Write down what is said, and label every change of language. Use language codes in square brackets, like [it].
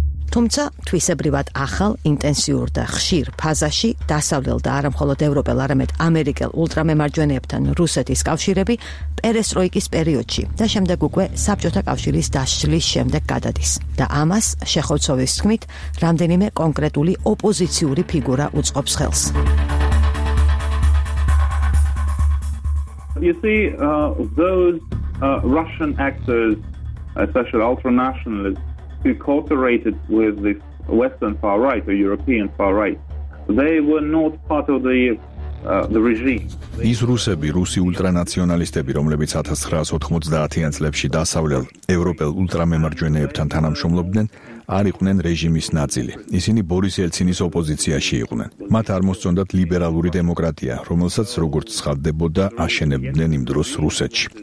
[ka] თუმცა თვისებრივად ახალ, ინტენსიურ და ხშირ ფაზაში დასავლელ და არამხოლოდ ევროპელ, არამედ ამერიკელ ულტრამემარჯვენეებთან რუსეთის კავშირები პერესტროიკის პერიოდში და შემდეგ უკვე საბჭოთა კავშირის დაშლის შემდეგ გადადის. და ამას შეხოცოვის თქმით რამდენიმე კონკრეტული ოპოზიციური ფიგურა უწყობს ხელს. [en] You see, those Russian actors, especially ultra-nationalists, who cooperated with the Western far-right or European far-right, they were not part of the regime. [ka] ის რუსები, რუსი ულტრანაციონალისტები, რომლებიც 1990-იან წლებში დასავლელ ევროპელ ულტრამემარჯვენეებთან თანამშრომლობდნენ, არ იყვნენ რეჟიმის ნაწილი. ისინი ბორის ელცინის ოპოზიციაში იყვნენ. მათ არ მოსწონდათ ლიბერალური დემოკრატია, რომელსაც როგორც ცხადდებოდა, აშენებდნენ იმ დროს რუსეთში.